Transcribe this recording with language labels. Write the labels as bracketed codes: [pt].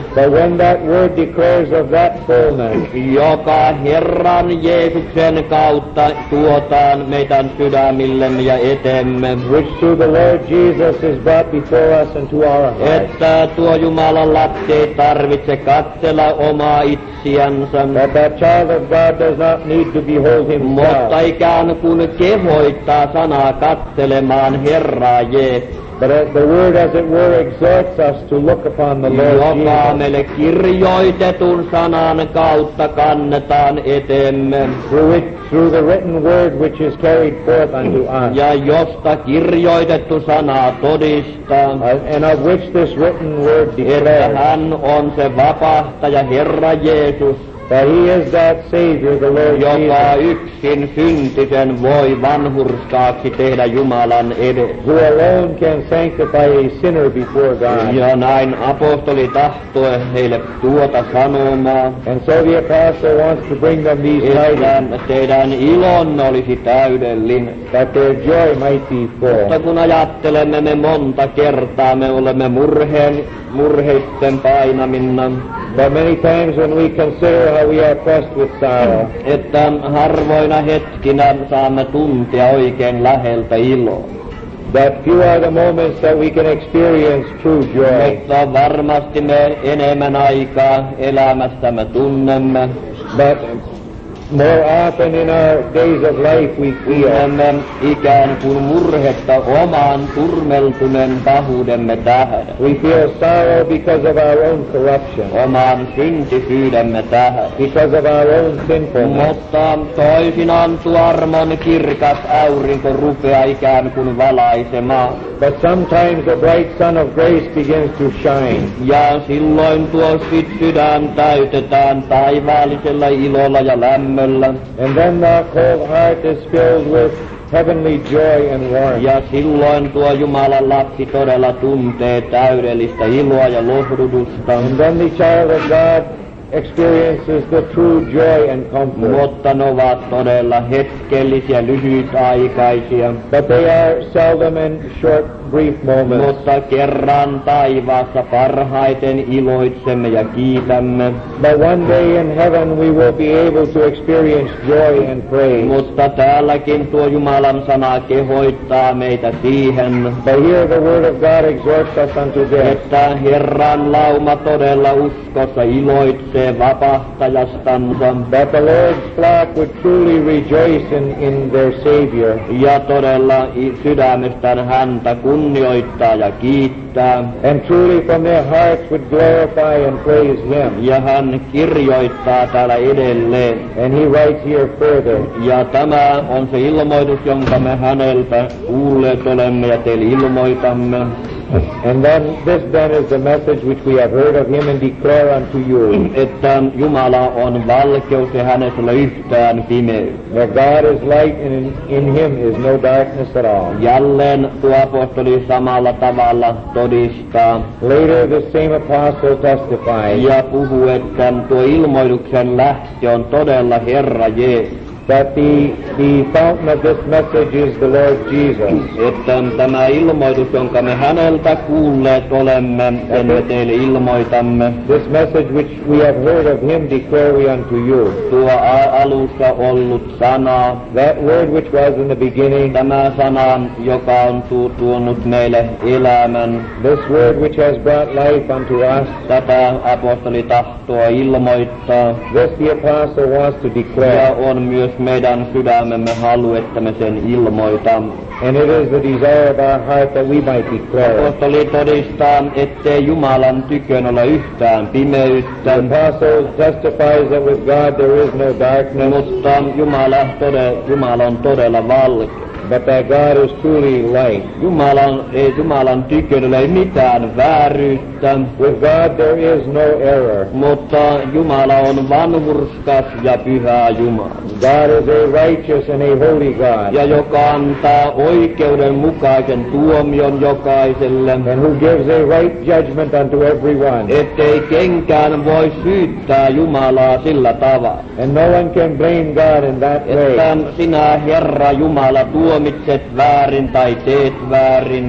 [en] But when that word declares of that fullness. [fi] Joka Herran Jeesuksen kautta tuotaan meidän sydämillemme ja eteemme. [en] Which through the Lord Jesus is brought before us and to our hearts. [fi] Että tuo Jumalan lapsi ei tarvitse katsella omaa itsiänsä. [en] But that child of God does not need to behold himself. [fi] Mutta ikään kuin kehoittaa sanaa katselemaan Herraa Jeesusta. [en] But as the word as it were exhorts us to look upon the Lord Jesus. [fi] Joka meille kirjoitetun sanan kautta kannetaan eteemme. [en] Through the written word which is carried forth unto us. [fi] Ja josta kirjoitettu sanaa todistaa. [en] And of which this written word declares. [fi] Että hän on se vapahtaja Herra Jeesus. [en] That he is that Savior, the Lord [fi] joka [en] Jesus. [fi] Joka yksin syntisen voi vanhurskaaksi tehdä Jumalan edessä. [en] Who alone can sanctify a sinner before God. [fi] Ja näin apostoli tahtoi heille tuota sanomaa. [en] And so the apostle wants to bring them these tidings. [fi] Teidän ilon olisi täydellinen. [en] That their joy might be full. [fi] Mutta kun ajattelemme me monta kertaa, me olemme murheitten painaminna. [en] But many times when we consider how we are pressed with sorrow. [fi] Että harvoina hetkinä saamme tuntia oikein läheltä iloa. [en] That few are the moments that we can experience true joy. [fi] Mutta varmasti me enemmän aikaa elämästämme tunnemme. [en] But more often in our days of life we feel. [fi] Ikään kuin murhetta omaan turmeltuneen pahuudemme tähden. [en] We feel sorrow because of our own corruption. [fi] Omaan syntisyydemme tähden. [en] Because of our own sinfulness. [fi] Mutta toisinaan tuo armon kirkas aurinko rupeaa ikään kuin valaisemaan. [en] But sometimes the bright sun of grace begins to shine. [fi] Ja silloin tuo sydän täytetään taivaallisella ilolla ja lämmöllä. [en] And then the cold heart is filled with heavenly joy and warmth. [fi] Ja silloin tuo Jumalan lapsi todella tuntee täydellistä iloa ja lohdutusta. [en] And then the child of God experiences the true joy and comfort. [fi] Mutta ne ovat todella hetkellisiä, lyhytaikaisia. [en] But they are seldom in short, brief moments. [fi] Mutta kerran taivaassa parhaiten iloitsemme ja kiitämme. [en] But one day in heaven we will be able to experience joy and praise. [fi] Mutta täälläkin tuo Jumalan sana kehoittaa meitä siihen. [en] But here the word of God exhorts us unto this. [fi] Että Herran lauma todella uskossa iloitsee. vapahtajastansa. [en] That the Lord's flock would truly rejoice in their Savior. [fi] Ja todella sydämestään häntä kunnioittaa ja kiittää. [en] And truly from their hearts would glorify and praise Him. [fi] Ja hän kirjoittaa täällä edelleen. [en] And He writes here further. [fi] Ja tämä on se ilmoitus, jonka me häneltä kuulleet olemme ja teille ilmoitamme. [en] And then this then is the message which we have heard of Him and declare unto you. [fi] Että Jumala on valkeus ja hänellä yhtään pimeyttä. [en] That God is light and in Him is no darkness at all. [fi] Jälleen tuo apostoli samalla tavalla todistaa. [en] Later the same apostle testifies. [fi] Ja puhuu, että tuo ilmoituksen lähtö on todella Herra Jeesus. [en] That the fountain of this message is the Lord Jesus. [fi] Että tämä ilmoitus, jonka me häneltä kuulleet olemme, sen me teille ilmoitamme. [en] This message which we have heard of Him declare we unto you. [fi] Tuo alussa ollut sana. [en] That word which was in the beginning. [fi] Tämä sana, joka on tuonut meille elämän. [en] This word which has brought life unto us. [fi] Tätä apostoli tahtoa ilmoittaa. [en] This the apostle wants to declare. [fi] Ja on myös meidän sydämemme halu, että me sen ilmoitan. [en] And it is the desire of our heart that we might declare. [fi] Apostoli todistaa, ettei Jumalan tykön ole yhtään pimeyttä. [en] The apostle testifies that with God there is no darkness. [fi] Mutta Jumala on todella valkea. [en] But that God is truly light. [fi] Jumalan tykönellä ei mitään vääryyttä. [en] With God there is no error. [fi] Mutta Jumala on vanhurskas ja pyhä Jumala. [en] God is a righteous and a holy God. [fi] Ja joka antaa oikeudenmukaisen tuomion jokaiselle. [en] And who gives a right judgment unto everyone. [fi] Ettei kenkään voi syyttää Jumalaa sillä tavalla. [en] And no one can blame God in that way. [fi] Että sinä Herra Jumala tuomitset väärin tai teet väärin.